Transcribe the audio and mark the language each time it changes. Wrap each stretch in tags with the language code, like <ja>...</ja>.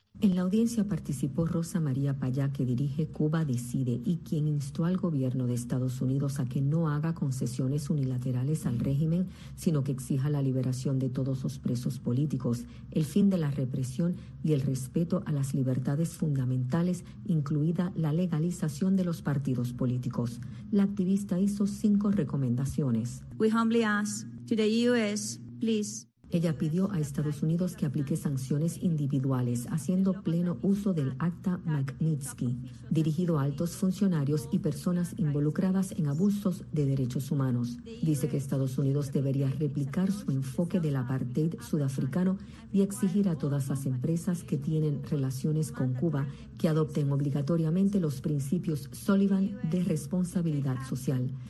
<es>En la audiencia participó Rosa María Payá, que dirige Cuba Decide y quien instó al gobierno de Estados Unidos a que no haga concesiones unilaterales al régimen, sino que exija la liberación de todos los presos políticos, el fin de la represión y el respeto a las libertades fundamentales, incluida la legalización de los partidos políticos. La activista hizo 5 recomendaciones.</es> <en>We humbly ask to the U.S., please.</en> <es>Ella pidió a Estados Unidos que aplique sanciones individuales, haciendo pleno uso del Acta Magnitsky, dirigido a altos funcionarios y personas involucradas en abusos de derechos humanos. Dice que Estados Unidos debería replicar su enfoque del apartheid sudafricano y exigir a todas las empresas que tienen relaciones con Cuba que adopten obligatoriamente los principios Sullivan de responsabilidad social.</es>